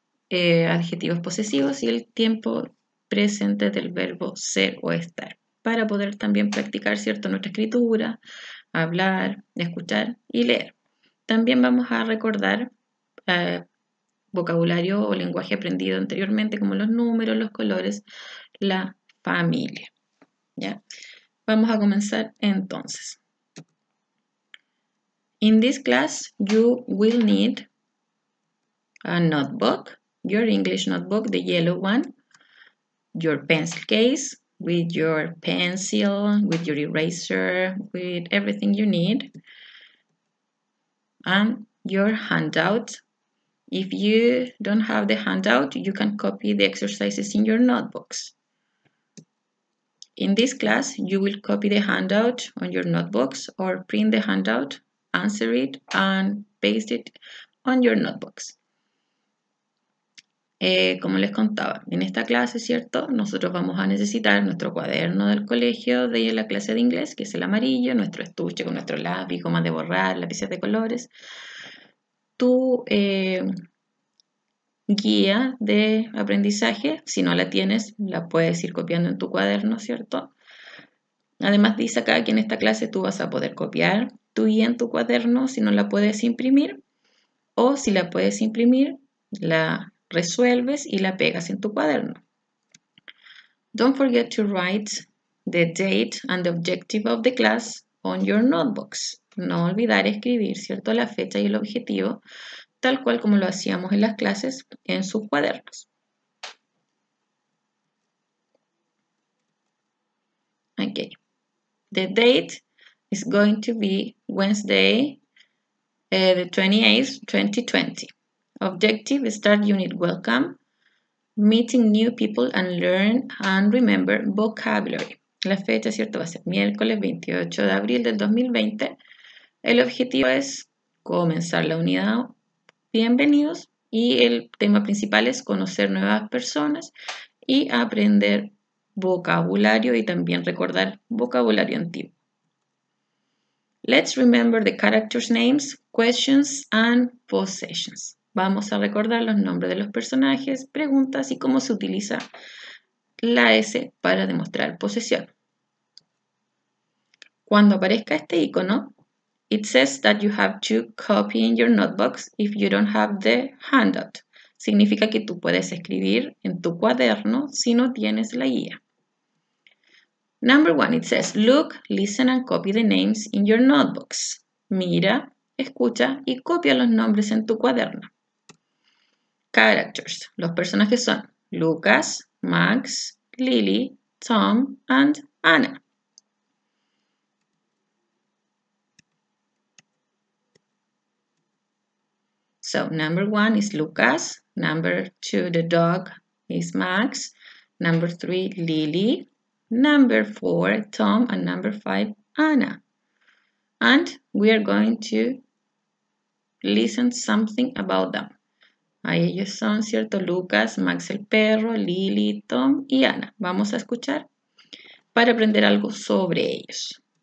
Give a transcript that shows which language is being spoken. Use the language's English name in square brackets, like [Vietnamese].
[Spanish] adjetivos posesivos y el tiempo presente del verbo ser o estar, para poder también practicar, ¿cierto?, nuestra escritura, hablar, escuchar y leer. También vamos a recordar vocabulario o lenguaje aprendido anteriormente, como los números, los colores, la familia, ¿ya? Vamos a comenzar entonces. [English] In this class, you will need a notebook, your English notebook, the yellow one, your pencil case with your pencil, with your eraser, with everything you need, and your handout. If you don't have the handout, you can copy the exercises in your notebooks. In this class, you will copy the handout on your notebooks or print the handout, answer it, and paste it on your notebooks. [Spanish] Como les contaba, en esta clase, ¿cierto?, nosotros vamos a necesitar nuestro cuaderno del colegio de la clase de inglés, que es el amarillo, nuestro estuche con nuestro lápiz, goma de borrar, lápices de colores, tu guía de aprendizaje. Si no la tienes, la puedes ir copiando en tu cuaderno, ¿cierto? Además, dice acá que en esta clase tú vas a poder copiar tu guía en tu cuaderno si no la puedes imprimir, o si la puedes imprimir, la resuelves y la pegas en tu cuaderno. [English] Don't forget to write the date and the objective of the class on your notebooks. [Spanish] No olvidar escribir, ¿cierto?, la fecha y el objetivo, tal cual como lo hacíamos en las clases, en sus cuadernos. [English] Okay. The date is going to be Wednesday, the 28th, 2020. Objective, start unit welcome, meeting new people and learn and remember vocabulary. [Spanish] La fecha, cierto, va a ser miércoles 28 de abril del 2020. El objetivo es comenzar la unidad Bienvenidos, y el tema principal es conocer nuevas personas y aprender vocabulario y también recordar vocabulario antiguo. [English] Let's remember the characters' names, questions, and possessions. [Spanish] Vamos a recordar los nombres de los personajes, preguntas y cómo se utiliza la S para demostrar posesión. Cuando aparezca este icono, [English] it says that you have to copy in your notebooks if you don't have the handout. [Spanish] Significa que tú puedes escribir en tu cuaderno si no tienes la guía. [English] Number one, it says, look, listen and copy the names in your notebooks. [Spanish] Mira, escucha y copia los nombres en tu cuaderno. [English] Characters. [Spanish] Los personajes son Lucas, Max, Lily, Tom and Anna. [English] So, number one is Lucas. Number two, the dog, is Max. Number three, Lily. Number four, Tom. And number five, Anna. And we are going to listen something about them. [Spanish] Ahí ellos son, ¿cierto? Lucas, Max el perro, Lily, Tom y Anna. Vamos a escuchar para aprender algo sobre ellos.